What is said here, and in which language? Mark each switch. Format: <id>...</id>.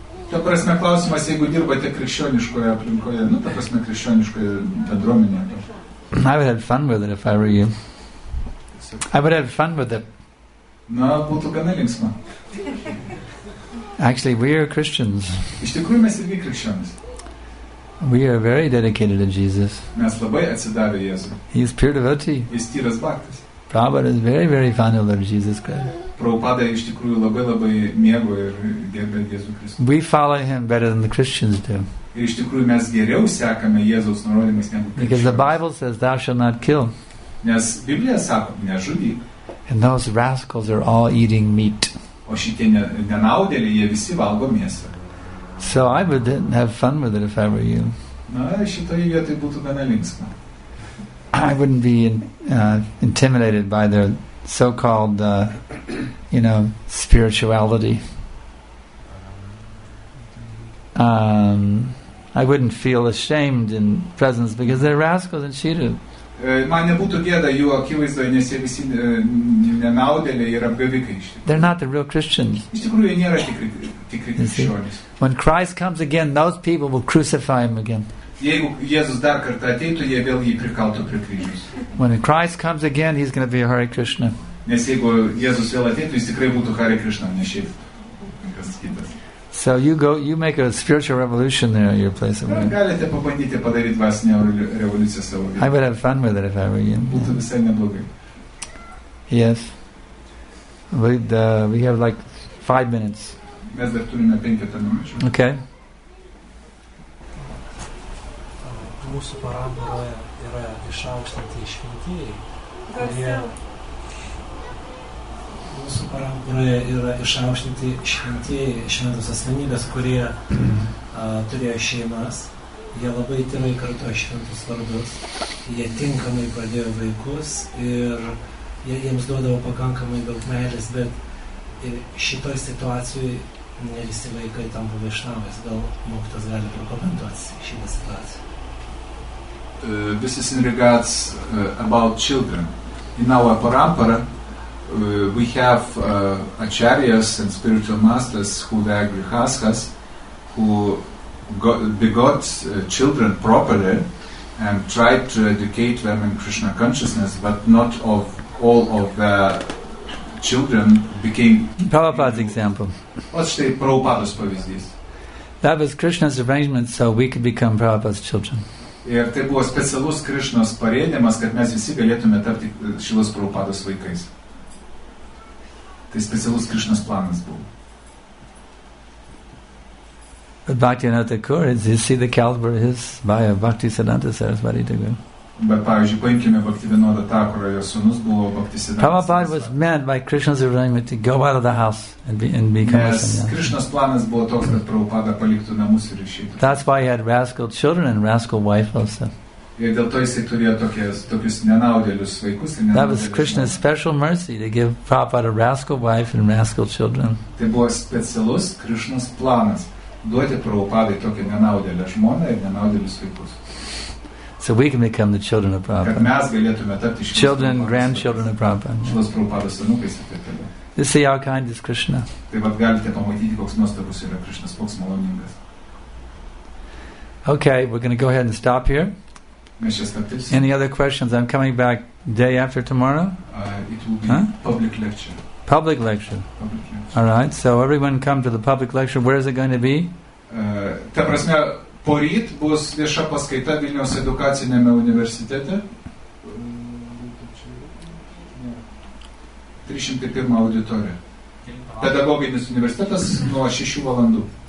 <lt>Ta prasme, klausimas, jeigu dirbate krikščioniškoje aplinkoje, nu, ta prasme, krikščioniškoje bendruomenėje.</lt> <en>I would have fun with it if I were you. I would have fun with it.</en> <lt>Na, būtų gana linksma.</lt> <en>Actually, we are Christians.</en> <lt>Iš tikrųjų, mes irgi krikščionis.</lt> <en>We are very dedicated to Jesus.</en> <lt>Mes labai atsidavę Jėzui.</lt> <en>He is pure devotee.</en> <lt>Jis tyras baktas.</lt> <en>Prabhupada is very, very fond of Lord Jesus Christ.</en> <lt>Prabhupada iš tikrųjų labai, labai mėgo ir gerbė Jėzų Kristų.</lt> <en>We follow him better than the Christians do.</en> <lt>Ir iš tikrųjų mes geriau sekame Jėzaus nurodymais negu krikščionys.</lt> <en>Because the Bible says, thou shalt not kill.</en> <lt>Nes Biblija sako, nežudyk.</lt> <en>And those rascals are all eating meat.</en> <lt>O šitie nenaudėliai, jie visi valgo mėsą.</lt> <en>So I wouldn't have fun with it if I were you.</en> <lt>Na, šitoje vietoje būtų gana linksma.</lt> <en>I wouldn't be intimidated by their so-called, you know, spirituality. I wouldn't feel ashamed in presence because they're rascals and cheated.</en> <lt>Man nebūtų gėda jų akivaizdoje, nes jie visi nenaudėliai ir apgavikai.</lt> <en>They're not the real Christians.</en> <lt>Iš tikrųjų, jie nėra tikri krikščionys.</lt> <en>When Christ comes again, those people will crucify him again.</en> <lt>Jeigu Jėzus dar kartą ateitų, jie vėl jį prikaltų prie kryžiaus.</lt> <en>When Christ comes again, he's going to be a Hare Krishna.</en> <lt>Nes jeigu Jėzus vėl ateitų, jis tikrai būtų Hare Krishna, ne šiaip kas kitas.</lt> <en>So you go, you make a spiritual revolution there at your place.</en> <lt>Galite pabandyti padaryti dvasinę revoliuciją savo vietoje.</lt> <en>I would have fun with it if I were you.</en> <lt>Būtų visai neblogai.</lt> <en>Yes. We have like 5 minutes.</en> <lt>Mes dar turime 5 minučių.</lt> <en>Okay.</en> <lt>Mūsų parambaroje yra išaukštinti šventieji. Mūsų parambaroje yra išaukštinti šventieji, šventos asmenybės, kurie turėjo šeimas. Jie labai tyrai kartuoja šventus vardus. Jie tinkamai pradėjo vaikus ir jie jiems duodavo pakankamai daug meilės, bet ir šitoj situacijoj ne visi vaikai tampa vaišnavais. Gal mokytas gali prokomentuoti šitą situaciją.</lt> <en>This is in regards about children. In our parampara, we have acharyas and spiritual masters who were grihasthas, who begot children properly and tried to educate them in Krishna consciousness, but not of all of the children became... Prabhupada's example. What's the Prabhupada's</en> <lt>pavyzdys?</lt> <en>That was Krishna's arrangement so we could become Prabhupada's children.</en> <lt>Ir tai buvo specialus Krišnos parėdimas, kad mes visi galėtume tapti Šilos Prabhupados vaikais. Tai specialus Krišnos planas buvo.</lt> <en>But Bhaktivinoda Thakur, you see the caliber of his bio, Bhaktisiddhanta Sarasvati Thakur.</en> <lt>Bet, pavyzdžiui, paimkime Bhaktivinoda Thakur, jo sūnus buvo Bhaktisiddhanta Sarasvati.</lt> <en>Prabhupada was meant by Krishna's arrangement to go out of the house and become a sannyasi.</en> <lt>Nes Krishna's planas buvo toks, kad Prabhupada paliktų namus ir išeitų.</lt> <en>That's why he had rascal children and rascal wife also.</en> <lt>Ir dėl to jisai turėjo tokius nenaudėlius vaikus ir nenaudėlius.</lt> <en>That was Krishna's special mercy to give Prabhupada a rascal wife and rascal children.</en> <lt>Tai buvo specialus Krishna's planas duoti Prabhupadai tokią nenaudėlę žmoną ir nenaudėlius vaikus.</lt> <en>So we can become the children of Prabhupada.</en> <lt>Mes galėtume tapti šios</lt> <en>children, grandchildren of Prabhupada.</en> <lt>Šios Prabhupados anūkais.</lt> <en>You see how kind is Krishna.</en> <lt>Taip pat galite pamatyti, koks nuostabus yra Krishnas, koks maloningas.</lt> <en>Okay, we're going to go ahead and stop here.</en> <lt>Mes čia stabtysim.</lt> <en>Any other questions? I'm coming back day after tomorrow. It will be public lecture. Public lecture. Public lecture. All right, so everyone come to the public lecture. Where is it going to be?</en> <lt>Ta prasme, poryt bus vieša paskaita Vilniaus edukacinėme universitete. 301 auditorija. Pedagoginis universitetas nuo 6 valandų.</lt>